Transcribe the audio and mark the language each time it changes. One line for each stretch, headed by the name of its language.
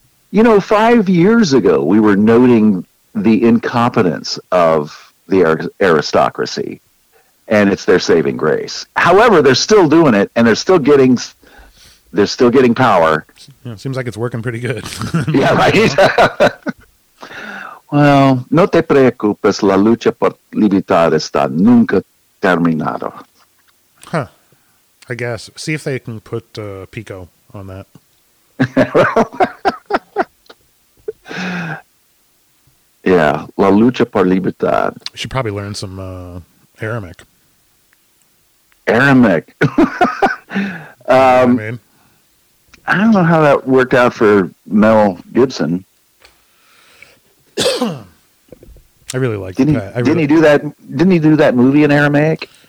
English: You know, 5 years ago, we were noting the incompetence of the aristocracy, and it's their saving grace. However, they're still doing it, and they're still getting power. Yeah, seems like it's working pretty good. Yeah, right.
Spanish: Well, no te preocupes, la lucha por libertad está nunca terminado.
English: Huh. I guess. See if they can put Pico on that. Yeah,
Spanish: la lucha por libertad.
English: You should probably learn some Aramaic. Aramaic. I don't know how that worked out for Mel Gibson. I really like that. Didn't he do that movie in Aramaic?